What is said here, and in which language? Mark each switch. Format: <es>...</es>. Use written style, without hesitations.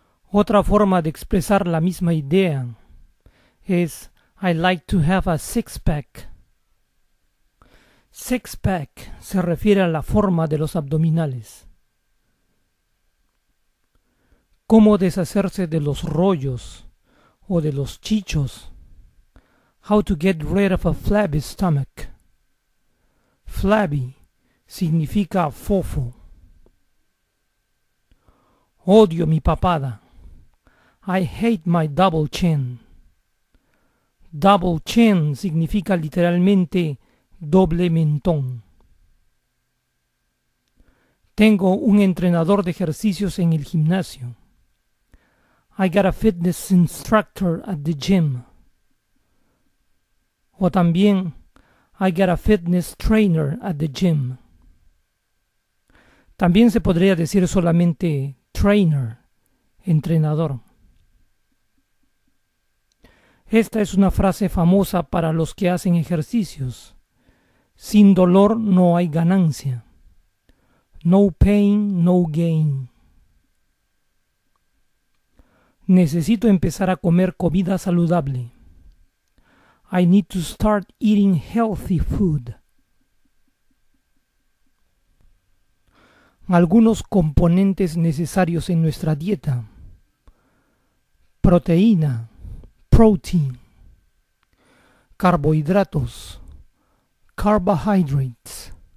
<es>Otra forma de expresar la misma idea es</es> <en>I like to have a six-pack.</en> <es>Six-pack se refiere a la forma de los abdominales. ¿Cómo deshacerse de los rollos o de los chichos?</es> <en>How to get rid of a flabby stomach.</en> <es>Flabby significa fofo. Odio mi papada.</es> <en>I hate my double chin.</en> <es>Double chin significa literalmente doble mentón. Tengo un entrenador de ejercicios en el gimnasio.</es> <en>I got a fitness instructor at the gym.</en> <es>O también,</es> <en>I got a fitness trainer at the gym.</en> <es>También se podría decir solamente trainer, entrenador. Esta es una frase famosa para los que hacen ejercicios. Sin dolor no hay ganancia.</es> <en>No pain, no gain.</en> <es>Necesito empezar a comer comida saludable.</es> <en>I need to start eating healthy food.</en> <es>Algunos componentes necesarios en nuestra dieta. Proteína. Protein. Carbohidratos.</es> <en>Carbohydrates.</en>